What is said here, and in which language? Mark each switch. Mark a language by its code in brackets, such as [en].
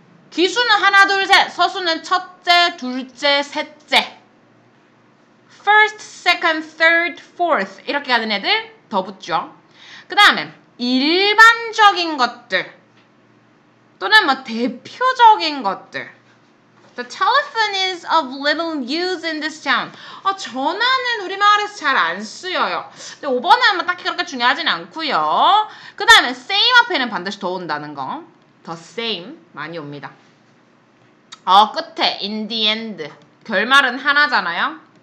[ko] 기수는 하나 둘 셋, 서수는 첫째, 둘째, 셋째. [en] First, second, third, fourth [ko] 이렇게 가는 애들 더 붙죠. 그 다음에 일반적인 것들 또는 뭐 대표적인 것들. [en] The telephone is of little use in this town. [ko] 아, 전화는 우리 마을에서 잘 안 쓰여요. 근데 5번은 뭐 딱히 그렇게 중요하진 않고요. 그 다음에 same 앞에는 반드시 더 온다는 거. The same 많이 옵니다. 끝에 [en] in the end. [ko] 결말은 하나잖아요.